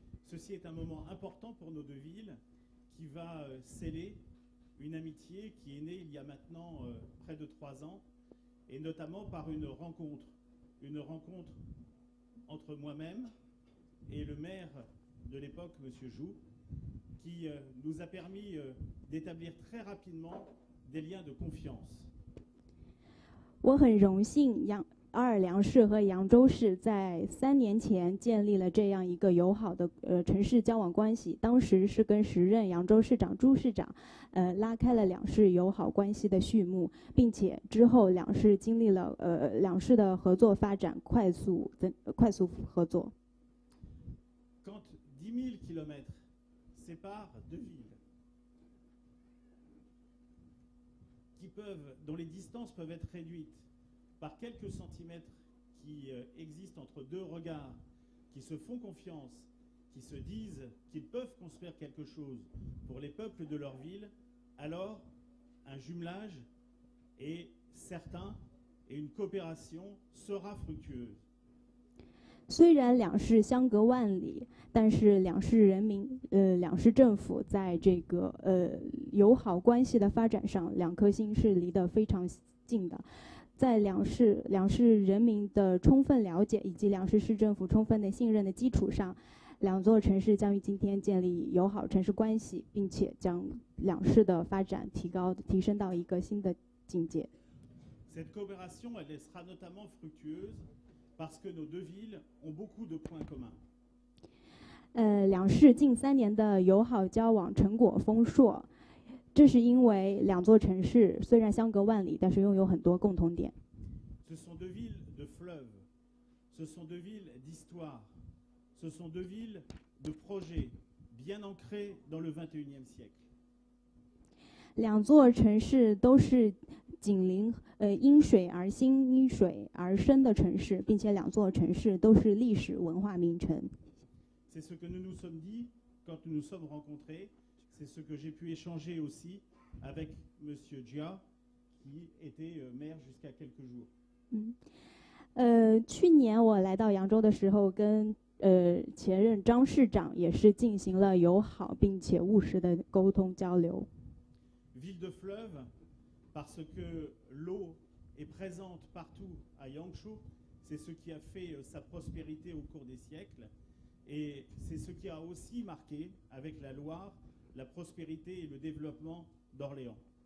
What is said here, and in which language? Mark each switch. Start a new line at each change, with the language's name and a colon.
French: Ceci est un moment important pour nos deux villes, qui va sceller une amitié qui est née il y a maintenant près de trois ans, et notamment par une rencontre entre moi-même et le maire de l'époque, Monsieur Zhou. Qui nous a permis d'établir très rapidement des liens de confiance.
Chinese: 我很荣幸，奥尔良市和扬州市在三年前建立了这样一个友好的城市交往关系。当时是跟时任扬州市长朱市长，拉开了两市友好关系的序幕，并且之后两市经历了两市的合作发展快速合作。
French: Quand 10,000 kilomètres sépare deux villes dont les distances peuvent être réduites par quelques centimètres qui existent entre deux regards qui se font confiance, qui se disent qu'ils peuvent construire quelque chose pour les peuples de leur ville, alors un jumelage est certain et une coopération sera fructueuse.
Chinese: 虽然两市相隔万里，但是两市人民，两市政府在这个友好关系的发展上，两颗心是离得非常近的。在两市人民的充分了解以及两市市政府充分的信任的基础上，两座城市将于今天建立友好城市关系，并且将两市的发展提升到一个新的境界。
French: Cette coopération elle sera notamment fructueuse. Parce que nos deux villes ont beaucoup de points communs.
Chinese: 两市近三年的友好交往成果丰硕，这是因为两座城市虽然相隔万里，但是拥有很多共同点。
French: Ce sont deux villes de fleuves, ce sont deux villes d'histoire, ce sont deux villes de projets bien ancrés dans le 21e siècle.
Chinese: 两座城市都是紧邻因水而兴、因水而生的城市，并且两座城市都是历史文化名城。
French: C'est ce que nous nous sommes dit quand nous nous sommes rencontrés. C'est ce que j'ai pu échanger aussi avec Monsieur Jia, qui était maire jusqu'à quelques jours.
Chinese: 去年我来到扬州的时候，跟前任张市长也是进行了友好并且务实的沟通交流。
French: Ville de fleuve. Parce que l'eau est présente partout à Yangzhou, c'est C'est ce qui a fait sa prospérité au cours des siècles. Et c'est ce qui a aussi marqué, avec la Loire, la prospérité et le développement d'Orléans.